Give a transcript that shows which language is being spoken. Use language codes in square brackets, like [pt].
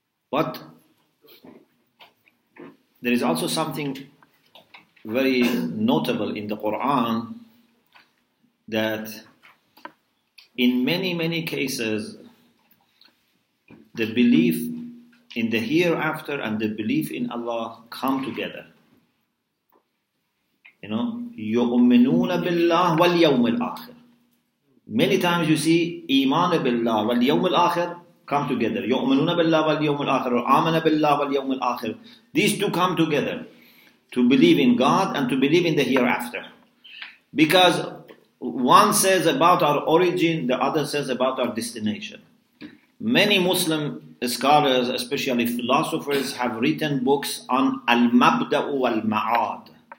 [en] But there is also something very notable in the Quran, that in many, many cases, the belief in the hereafter and the belief in Allah come together. You know, [ar] يؤمنون بالله واليوم الآخر. [en] Many times you see [ar] إيمان بالله واليوم الآخر [en] come together. [ar] يؤمنون بالله واليوم الآخر [en] or [ar] آمن بالله واليوم الآخر. [en] These two come together. To believe in God and to believe in the hereafter. Because one says about our origin, the other says about our destination. Many Muslim scholars, especially philosophers, have written books on [ar] المبدأ والمعاد.